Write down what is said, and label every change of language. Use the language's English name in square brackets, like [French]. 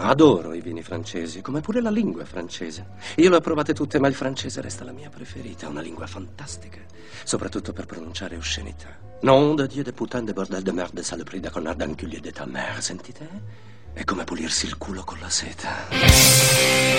[Italian] Adoro i vini francesi, come pure la lingua francese. Io le ho provate tutte, ma il francese resta la mia preferita. Una lingua fantastica, soprattutto per pronunciare oscenità. [French] Nom de Dieu de putain de bordel de merde de saloperie de connard d'enculier de ta mère. [Italian] Sentite? È come pulirsi il culo con la seta.